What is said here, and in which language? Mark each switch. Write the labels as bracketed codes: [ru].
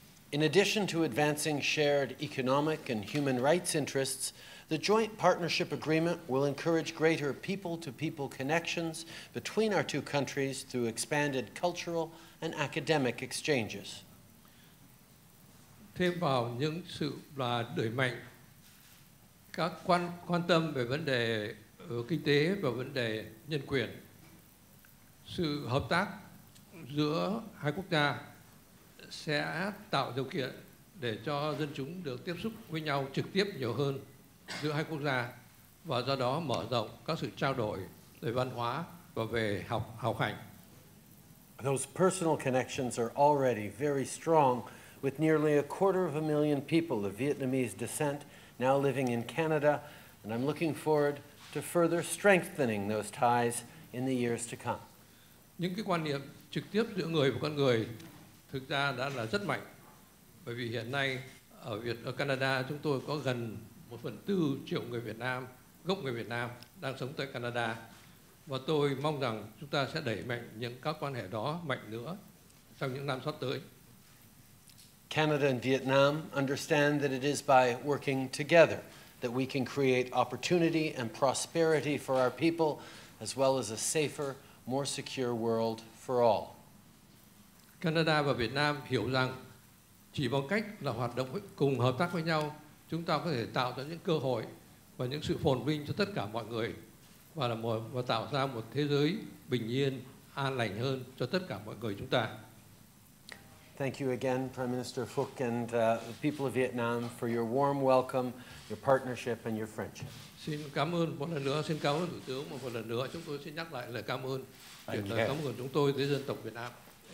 [en] In addition to advancing shared economic and human rights interests, the joint partnership agreement will encourage greater people-to-people connections between our two countries through expanded cultural and academic exchanges. [vi] Thêm vào những sự là đẩy mạnh các quan tâm về vấn đề kinh tế và vấn đề nhân quyền, sự hợp tác giữa hai quốc gia sẽ tạo điều kiện để cho dân chúng được tiếp xúc với nhau trực tiếp nhiều hơn giữa hai quốc gia và do đó mở rộng các sự trao đổi về văn hóa và về học hành. [en] Those personal connections are already very strong with nearly a quarter of a million people of Vietnamese descent now living in Canada, and I'm looking forward to further strengthening those ties in the years to come. [vi] Những cái quan niệm trực tiếp giữa người và con người thực ra đã là rất mạnh. Bởi vì hiện nay ở Canada chúng tôi có gần 1/4 triệu người Việt Nam, gốc người Việt Nam đang sống tại Canada. Và tôi mong rằng chúng ta sẽ đẩy mạnh những các quan hệ đó mạnh nữa trong những năm sắp tới. [en] Canada and Vietnam understand that it is by working together that we can create opportunity and prosperity for our people as well as a safer, more secure world for all. [vi] Canada và Việt Nam hiểu rằng chỉ bằng cách là hoạt động cùng hợp tác với nhau, chúng ta có thể tạo ra những cơ hội và những sự phồn vinh cho tất cả mọi người và tạo ra một thế giới bình yên, an lành hơn cho tất cả mọi người chúng ta. [en] Thank you again, Prime Minister Phuc and the people of Vietnam for your warm welcome, your partnership and your friendship. [vi] Xin cảm ơn một lần nữa, xin cảm ơn Thủ tướng một lần nữa. Chúng tôi xin nhắc lại lời cảm ơn, chuyển lời cảm ơn chúng tôi tới dân tộc Việt Nam.